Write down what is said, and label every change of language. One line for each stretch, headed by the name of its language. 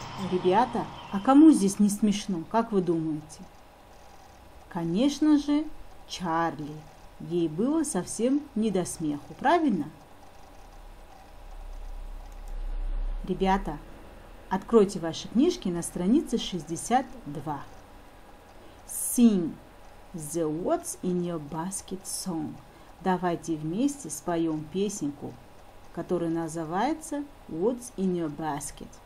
Russian: Ребята, а кому здесь не смешно, как вы думаете? Конечно же, Чарли. Ей было совсем не до смеху, правильно? Ребята, откройте ваши книжки на странице 62.
English: Sing the What's in your basket song.
Russian: Давайте вместе споем песенку, которая называется What's in your basket.